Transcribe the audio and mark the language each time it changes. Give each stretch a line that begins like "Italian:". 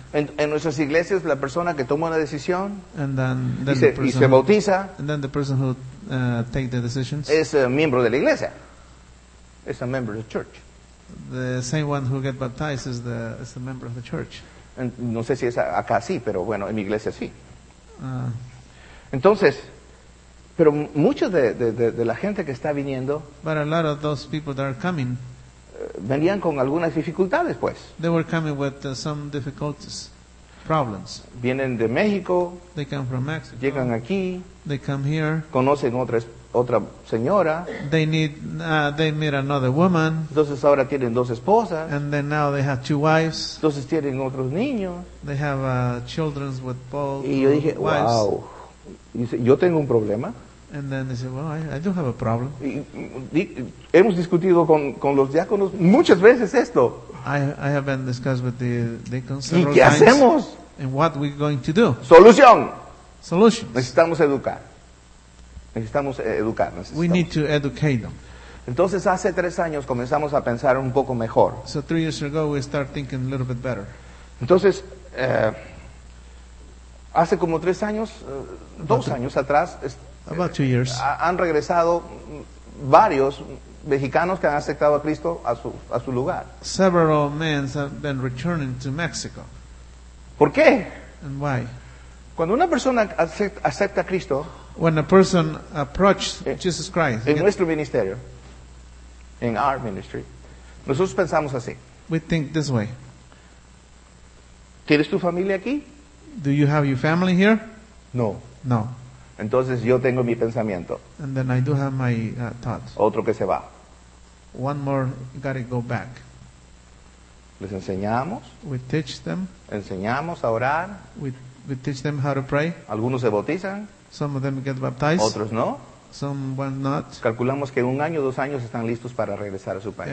Spanish: En nuestras iglesias la persona que toma una decisión.
English: And then
Spanish: y, se,
English: the person,
Spanish: y se bautiza.
English: And then the person who take the decisions.
Spanish: Es miembro de la iglesia.
English: Es a member of the church. The same one who get baptized is a member of the church.
Spanish: No sé si es acá sí, pero bueno, en mi iglesia sí. Entonces, pero muchos de la gente que está viniendo,
English: but a lot of those people that are coming,
Spanish: venían con algunas dificultades, pues.
English: They were coming with some difficulties, problems.
Spanish: Vienen de México.
English: They come from Mexico.
Spanish: Llegan aquí.
English: They come here.
Spanish: Conocen otra señora.
English: They need. They meet another woman.
Spanish: Entonces ahora tienen dos esposas.
English: And then now they have two wives.
Spanish: Entonces tienen otros niños.
English: They have children with both.
Spanish: Y yo dije,
English: wives.
Spanish: Wow. Yo tengo un problema.
English: And then they said, well, I do have a problem.
Spanish: Hemos discutido con los diáconos muchas veces esto.
English: I have been discussed with the deacons several times.
Spanish: ¿Y qué hacemos?
English: And what we're going to do?
Spanish: Solución.
English: Solutions.
Spanish: Necesitamos educar. Necesitamos educar. Necesitamos.
English: We need to educate them.
Spanish: Entonces hace 3 años comenzamos a pensar un poco mejor.
English: So 3 years ago we start thinking a little bit better.
Spanish: Entonces Hace como tres años, dos años atrás,
English: about 2 years,
Spanish: han regresado varios mexicanos que han aceptado a Cristo a su lugar.
English: Several men have been returning to Mexico.
Spanish: ¿Por qué?
English: And why?
Spanish: Cuando una persona acepta a Cristo,
English: when a person approaches Jesus Christ,
Spanish: en nuestro ministerio,
English: in our ministry,
Spanish: nosotros pensamos así.
English: We think this way.
Spanish: ¿Tienes tu familia aquí?
English: Do you have your family here?
Spanish: No.
English: No.
Spanish: Entonces yo tengo mi pensamiento.
English: And then I do have my thoughts.
Spanish: Otro que se va.
English: One more got to go back.
Spanish: Les enseñamos.
English: We teach them.
Spanish: Enseñamos a orar.
English: We teach them how to pray.
Spanish: Algunos se bautizan.
English: Some of them get baptized.
Spanish: Otros no.
English: Some will not.
Spanish: Calculamos que un año, dos años están listos para regresar a su país.